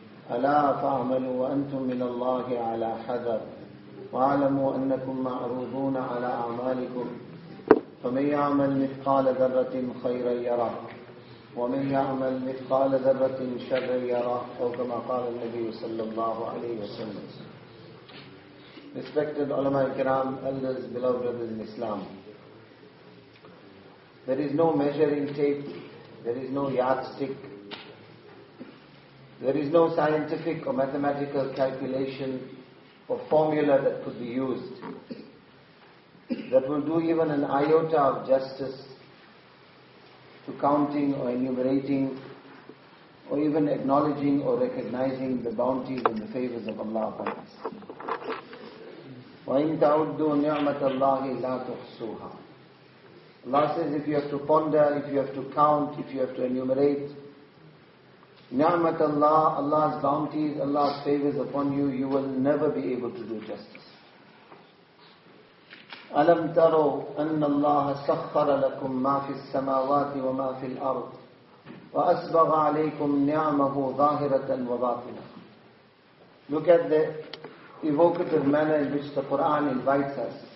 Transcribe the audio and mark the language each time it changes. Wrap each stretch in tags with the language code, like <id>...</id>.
<ar>ألا فاعملوا وأنتم من الله على حذر واعلموا أنكم معروضون على أعمالكم فمن يعمل مثقال ذرة خيرا يره ومن يعمل مثقال ذرة شرا يره أو كما قال النبي صلى الله عليه وسلم</ar> <en>Respected ulama al-kiram, elders, beloved brothers in Islam. There is no measuring tape, there is no yardstick, there is no scientific or mathematical calculation or formula that could be used that will do even an iota of justice to counting or enumerating or even acknowledging or recognizing the bounties and the favors of Allah upon us.</en> <ar>وَإِن تَعُدُّوا نِعْمَةَ اللَّهِ لَا تُحْصُوهَا</ar> <en>Allah says if you have to ponder, if you have to count, if you have to enumerate,</en> <ar>نِعْمَةَ اللَّهِ</ar> <en>Allah's bounties, Allah's favors upon you, you will never be able to do justice.</en> <ar>أَلَمْ تَرَوْا أَنَّ اللَّهَ سَخَّرَ لَكُمْ مَا فِي السَّمَاوَاتِ وَمَا فِي الْأَرْضِ وَأَسْبَغَ عَلَيْكُمْ نِعْمَهُ ظَاهِرَةً وَبَاطِنَةً</ar> <en>Look at the evocative manner in which the Quran invites us.</en>